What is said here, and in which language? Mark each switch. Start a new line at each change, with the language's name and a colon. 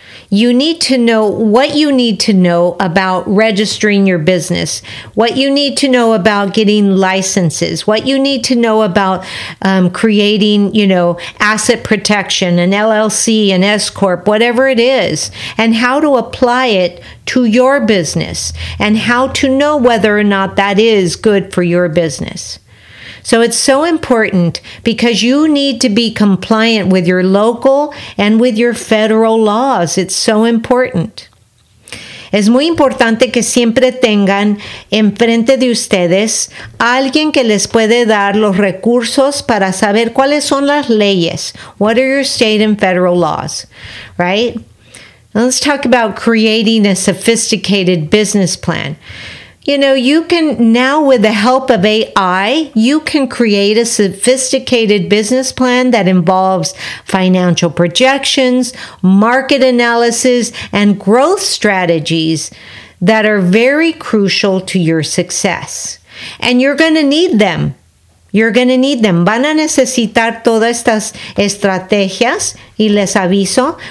English: You need to know what you need to know about registering your business, what you need to know about getting licenses, what you need to know about creating, you know, asset protection, an LLC, an S-Corp, whatever it is, and how to apply it to your business, and how to know whether or not that is good for your business. So it's so important because you need to be compliant with your local and with your federal laws. It's so important.
Spanish: Es muy importante que siempre tengan enfrente de ustedes alguien que les puede dar los recursos para saber cuáles son las leyes.
English: What are your state and federal laws, right? Let's talk about creating a sophisticated business plan. You know, you can now, with the help of AI, you can create a sophisticated business plan that involves financial projections, market analysis, and growth strategies that are very crucial to your success. And you're going to need them. You're going to need them.
Spanish: Van a necesitar todas estas estrategias, y les aviso.